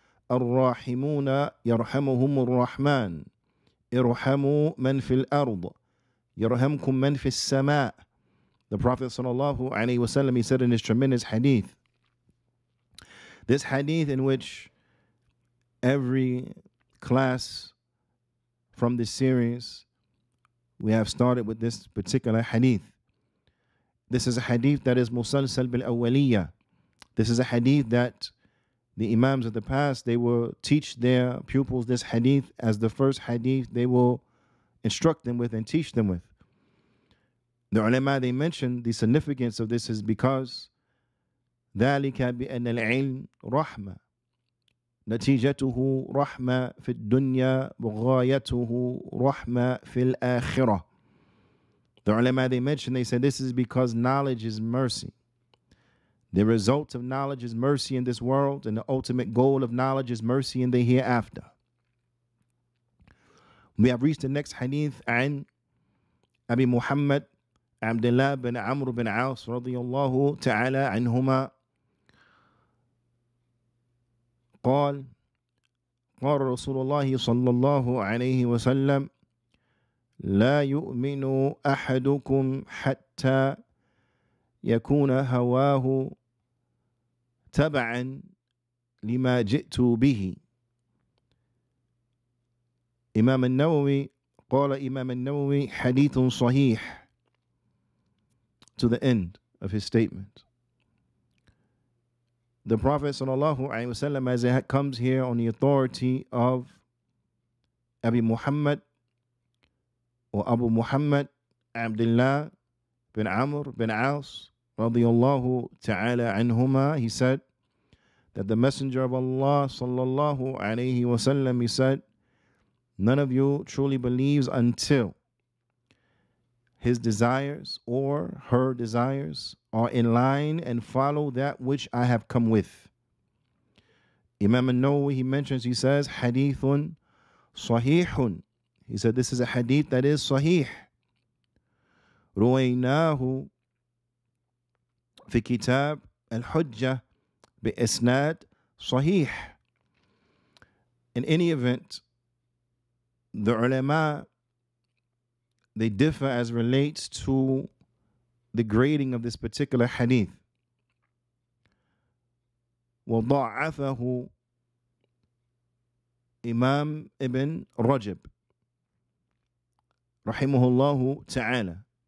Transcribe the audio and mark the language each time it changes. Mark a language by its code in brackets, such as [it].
[ar] الراحمون يرحمهم الرحمن ارحموا من في الأرض يرحمكم من في السماء [en] The Prophet sallallahu alaihi wasallam, he said in his tremendous hadith, this hadith in which every class from this series, we have started with this particular hadith. This is a hadith that is musalsal bil awwaliyya. This is a hadith that the imams of the past, they will teach their pupils this hadith as the first hadith they will instruct them with and teach them with. The ulama, they mentioned the significance of this is because [ar] ذَلِكَ بِأَنَّ الْعِلْمِ رَحْمَةً نَتِيجَتُهُ رَحْمَةً فِي الدُّنْيَا وَغَايَتُهُ رَحْمَةً فِي الْآخِرَةِ [en] The ulama, they mentioned, they said this is because knowledge is mercy. The result of knowledge is mercy in this world, and the ultimate goal of knowledge is mercy in the hereafter. We have reached the next hadith [ar] عن أبي محمد عبد الله بن عمرو بن عاص رضي الله تعالى عنهما قال قال رسول الله صلى الله عليه وسلم لا يؤمن أحدكم حتى يكون هواه تبعا لما جئت به إمام النووي قال إمام النووي حديث صحيح [en] to the end of his statement. The Prophet sallallahu alaihi wasallam, as it comes here on the authority of Abi Muhammad or Abu Muhammad Abdullah bin Amr bin Aus radiyallahu ta'ala anhuma, he said that the Messenger of Allah sallallahu alayhi wasallam, he said, none of you truly believes until his desires or her desires are in line and follow that which I have come with. Imam An-Nawawi, he mentions, he says, hadithun sahihun. He said, this is a hadith that is sahih. Ruwaynahu [ar] في كتاب الحجة بإسناد صحيح. [en] In any event, the ulama, they differ as relates to the grading of this particular hadith. [ar] وضعفه إمام ابن رجب رحمه الله تعالى.